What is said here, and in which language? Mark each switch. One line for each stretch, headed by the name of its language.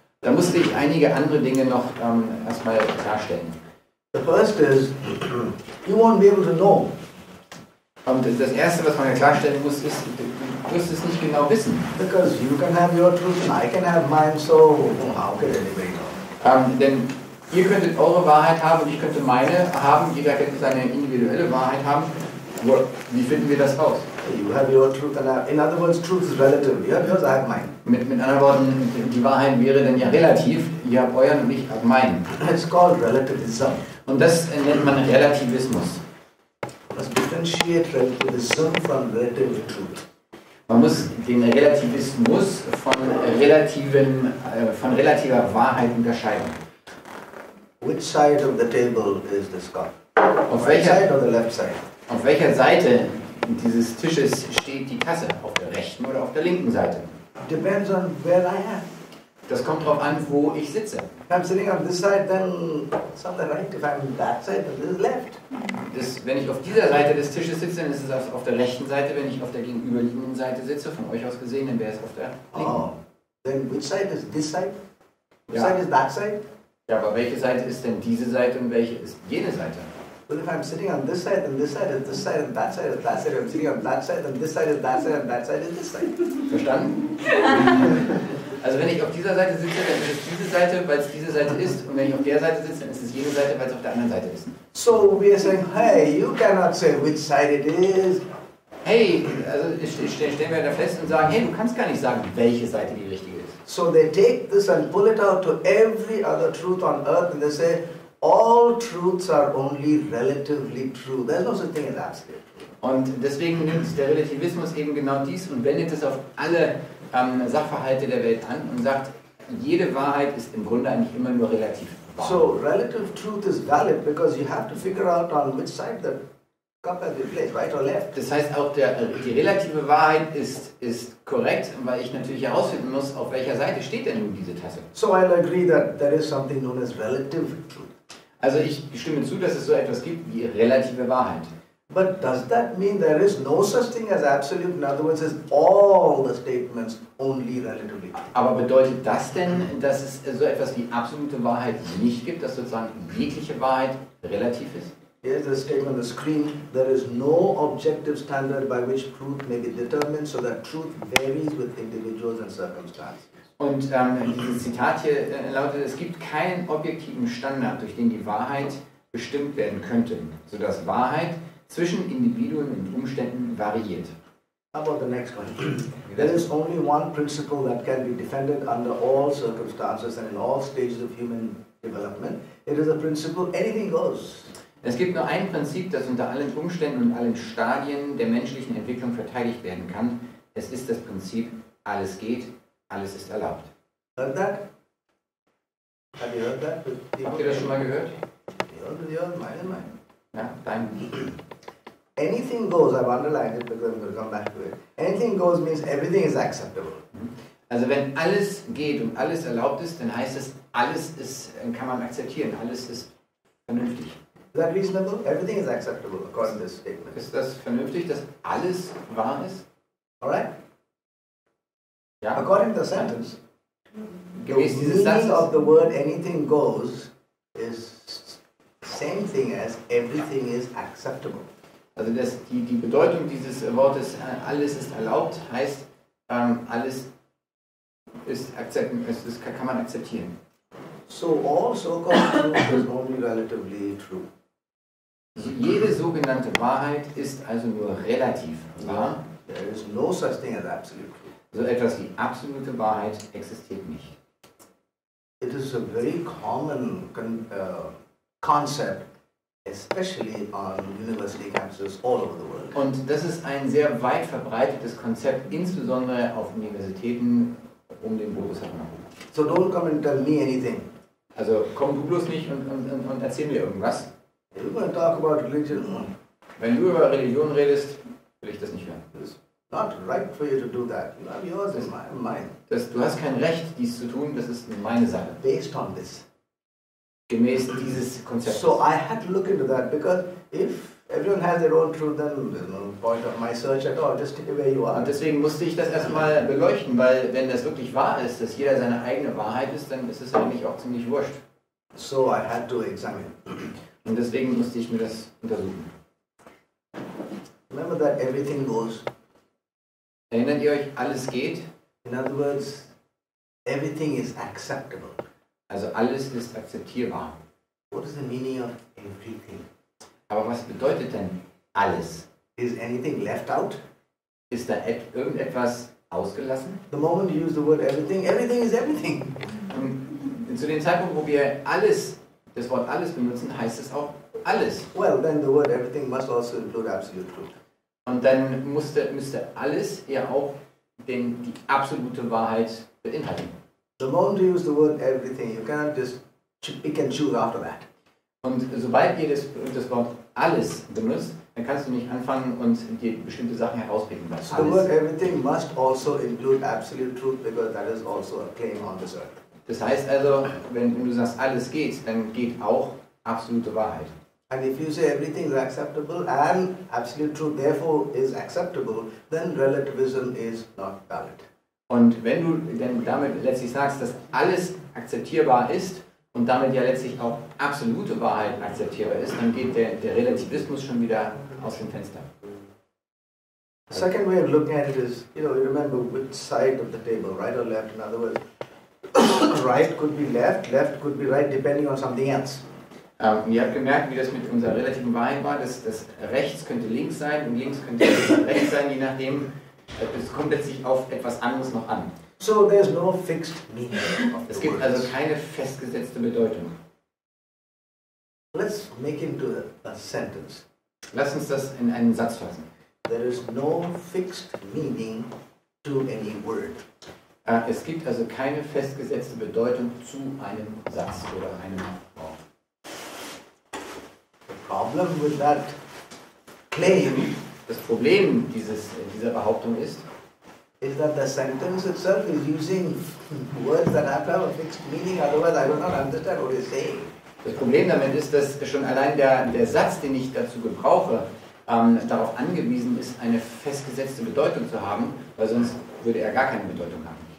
German: Da musste ich einige andere Dinge noch erstmal klarstellen.
English: The first is, you won't be able to know.
German: Und das Erste, was man ja klarstellen muss, ist, du wirst es nicht genau wissen.
English: Because you can have your truth and I can have mine, so how can anybody know?
German: Denn ihr könntet eure Wahrheit haben und ich könnte meine haben, jeder könnte seine individuelle Wahrheit haben. Well, wie finden wir das raus?
English: You have your truth and I have, in other words, truth is relative. You have yours, I have mine.
German: Mit anderen Worten, die Wahrheit wäre dann ja relativ. Ihr habt euren und ich habe meinen.
English: It's called relativism.
German: Und das nennt man Relativismus.
English: Must differentiate relativism from relative truth.
German: Man muss den Relativismus von relativer Wahrheit unterscheiden.
English: Which side of the table is this cup?
German: Auf welcher Seite oder
English: left side?
German: Auf welcher Seite dieses Tisches steht die Tasse? Auf der rechten oder auf der linken Seite?
English: Depends on where I am.
German: Das kommt darauf an, wo ich sitze.
English: If I'm sitting on this side, then it's on the right. If I'm on that side, then this is left.
German: Wenn ich auf dieser Seite des Tisches sitze, dann ist es auf der rechten Seite. Wenn ich auf der gegenüberliegenden Seite sitze, von euch aus gesehen, dann wäre es auf der linken.
English: Oh, then which side is this side? Which side is that side?
German: Ja, aber welche Seite ist denn diese Seite und welche ist jene Seite?
English: Well, if I'm sitting on this side, then this side and that side is that side. If I'm sitting on that side, then this side and that side is this side.
German: Verstanden? Also wenn ich auf dieser Seite sitze, dann ist es diese Seite, weil es diese Seite ist. Und wenn ich auf der Seite sitze, dann ist es jene Seite, weil es auf der anderen Seite ist.
English: So we are saying, hey, you cannot say which side it is.
German: Hey, also stellen wir da fest und sagen, hey, du kannst gar nicht sagen, welche Seite die richtige ist.
English: So they take this and pull it out to every other truth on earth and they say, all truths are only relatively true. There's no such thing as absolute truth.
German: Und deswegen nimmt der Relativismus eben genau dies und wendet es auf alle Sachverhalte der Welt an und sagt, jede Wahrheit ist im Grunde eigentlich immer nur relativ wahr.
English: So, relative truth is valid because you have to figure out on which side the cup has been placed, right or left.
German: Das heißt, auch die relative Wahrheit ist korrekt, weil ich natürlich herausfinden muss, auf welcher Seite steht denn nun diese Tasse.
English: So I'll agree that there is something known as relative truth.
German: Also ich stimme zu, dass es so etwas gibt wie relative Wahrheit.
English: But does that mean there is no such thing as absolute? In other words, is all the statements only relatively true?
German: Aber bedeutet das denn, dass es so etwas wie absolute Wahrheit nicht gibt, dass sozusagen jegliche Wahrheit relativ ist?
English: Here's the statement on the screen. There is no objective standard by which truth may be determined, so that truth varies with individuals and circumstances.
German: Und dieses Zitat hier lautet, es gibt keinen objektiven Standard, durch den die Wahrheit bestimmt werden könnte, sodass Wahrheit zwischen Individuen und Umständen variiert.
English: How about the next one? There is only one principle that can be defended under all circumstances and in all stages of human development. It is a principle, anything goes.
German: Es gibt nur ein Prinzip, das unter allen Umständen und allen Stadien der menschlichen Entwicklung verteidigt werden kann. Es ist das Prinzip, alles geht, alles ist erlaubt.
English: Heard that? Have you heard that?
German: Habt ihr das schon mal gehört?
English: Your mind.
German: Ja, dein.
English: Anything goes, I've underlined it because I'm going to come back to it. Anything goes means everything is acceptable.
German: Also wenn alles geht und alles erlaubt ist, dann heißt es, alles ist, kann man akzeptieren, alles ist vernünftig.
English: Is that reasonable? Everything is acceptable according to this statement.
German: Ist das vernünftig, dass alles wahr ist?
English: All right.
German: Ja.
English: According to the sentence,
German: gemäß
English: the meaning
German: Satzes
English: of the word anything goes is same thing as everything is acceptable.
German: Also die Bedeutung dieses Wortes, alles ist erlaubt, heißt, alles ist kann man akzeptieren.
English: So all so-called truth is only relatively true.
German: Also jede sogenannte Wahrheit ist also nur relativ wahr.
English: There is no such thing as absolute truth.
German: So etwas wie absolute Wahrheit existiert nicht.
English: It is a very common concept, especially on university campuses all over the world.
German: Und das ist ein sehr weit verbreitetes Konzept, insbesondere auf Universitäten um den Bundesland.
English: So don't come and tell me anything.
German: Also komm du bloß nicht und erzähl mir irgendwas.
English: If you're going to talk about religion,
German: wenn du über Religion redest, will ich das nicht hören.
English: It's not right for you to do that. You have yours, it's mine.
German: Du hast kein Recht, dies zu tun, das ist meine Sache.
English: Based on this.
German: Gemäß dieses Konzeptes.
English: So I had to look into that, because if everyone has their own truth, then there's no point of my search at all. Just stay where you are.
German: Und deswegen musste ich das erstmal beleuchten, weil wenn das wirklich wahr ist, dass jeder seine eigene Wahrheit ist, dann ist es eigentlich auch ziemlich wurscht.
English: So I had to examine.
German: Und deswegen musste ich mir das untersuchen.
English: Remember that everything goes.
German: Erinnert ihr euch, alles geht?
English: In other words, everything is acceptable.
German: Also alles ist akzeptierbar.
English: What is the meaning of everything?
German: Aber was bedeutet denn alles?
English: Is anything left out?
German: Ist da irgendetwas ausgelassen?
English: The moment you use the word everything, everything is everything.
German: Zu dem Zeitpunkt, wo wir alles, das Wort alles benutzen, heißt es auch alles.
English: Well, then the word everything must also include absolute truth.
German: Und dann müsste alles ja auch die absolute Wahrheit beinhalten.
English: The moment you use the word everything, you cannot just pick and choose after that.
German: Und sobald ihr das Wort alles benutzt, dann kannst du nicht anfangen und dir bestimmte Sachen herauspicken.
English: So the word everything must also include absolute truth, because that is also a claim on this earth.
German: Das heißt also, wenn du sagst, alles geht, dann geht auch absolute Wahrheit.
English: And if you say everything is acceptable and absolute truth therefore is acceptable, then relativism is not valid.
German: Und wenn du denn damit letztlich sagst, dass alles akzeptierbar ist und damit ja letztlich auch absolute Wahrheit akzeptierbar ist, dann geht der Relativismus schon wieder aus dem Fenster.
English: The second way of looking at it is, you know, you remember which side of the table, right or left, in other words, right could be left, left could be right, depending on something else.
German: Ihr habt gemerkt, wie das mit unserer relativen Wahrheit war, dass rechts könnte links sein und links könnte rechts sein, je nachdem, es kommt letztlich auf etwas anderes noch an.
English: So there's no fixed meaning of the words.
German: Es gibt also keine festgesetzte Bedeutung.
English: Let's make it into a sentence.
German: Lass uns das in einen Satz fassen.
English: There is no fixed meaning to any word.
German: Es gibt also keine festgesetzte Bedeutung zu einem Satz oder einem Wort.
English: The problem with that claim,
German: das Problem dieser Behauptung ist,
English: is that the sentence itself is using words that have a fixed meaning, otherwise I do not understand what it's saying.
German: Das Problem damit ist, dass schon allein der Satz, den ich dazu gebrauche, darauf angewiesen ist, eine festgesetzte Bedeutung zu haben, weil sonst würde er gar keine Bedeutung haben.